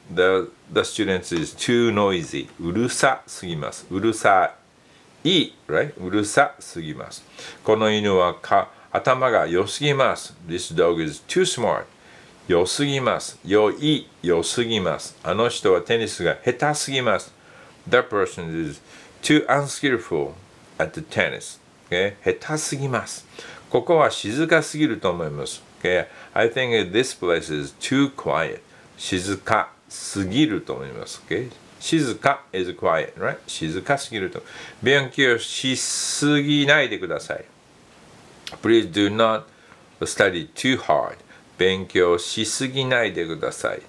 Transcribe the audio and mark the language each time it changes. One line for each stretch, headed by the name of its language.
English: The student is too noisy.
Japanese: うるさすぎます. うるさい.
English: Right?
Japanese: うるさすぎます. この犬は頭が良すぎます.
English: This dog is too smart.
Japanese: 良すぎます.良い良すぎます. あの人はテニスが下手すぎます.
English: That person is too unskillful at the tennis. Okay?
Japanese: 下手すぎます. ここは静かすぎると思います.
English: Okay, I think this place is too quiet.
Japanese: 静かすぎると思います.
English: Okay? 静か is quiet, right?
Japanese: 静かすぎると. 勉強しすぎないでください.
English: Please do not study too hard.
Japanese: 勉強しすぎないでください.